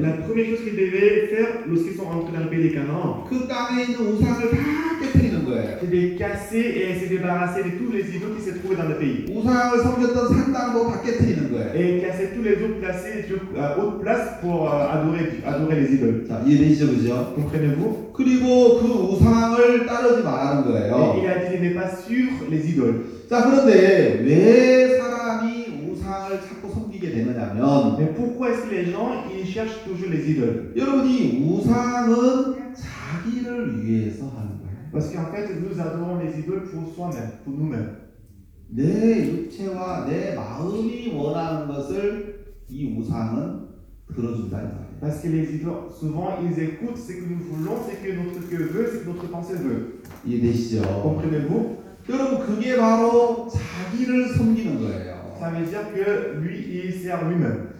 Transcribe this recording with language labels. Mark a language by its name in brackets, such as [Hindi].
[French] la première chose qu'ils devaient faire lorsqu'ils sont entrés dans le pays des Canaan [Korean] 그 땅에 있는 우상을 다 깨뜨리는 거예요. [French] De casser et se débarrasser de tous les idoles qui se trouvaient dans le pays. [Korean] 우상을 섬겼던 산당도 다 깨뜨리는 거예요. [French] Et casser tous les idoles déplacer Dieu à haute place pour adorer les idoles. [Korean] 자, 이해되시죠, 그죠? 그리고 그 우상을 따르지 말라는 거예요. [French] Et il a dit, n'est pas sur les idoles. [Korean] 자, 그런데 왜 사람이 우상을 찾고 섬기게 되느냐면 [French] Mais pourquoi est-ce que les gens ils cherchent toujours les idoles? [Korean] 여러분이 우상은 자기를 위해서 하는 거예요. [French] Parce qu'en fait, nous adorons les idoles pour soi-même, pour nous-mêmes. [Korean] 내 육체와 내 마음이 원하는 것을 이 우상은 들어준다는 거예요. [French] Parce que les idoles, souvent, ils écoutent ce que nous voulons, ce que notre cœur veut, ce que notre pensée veut. [Korean] 이해되시죠? [French] Comprenez-vous? [Korean] 여러분, 그게 바로 자기를 섬기는 거예요. [French] Ça veut dire que lui, il sert lui-même.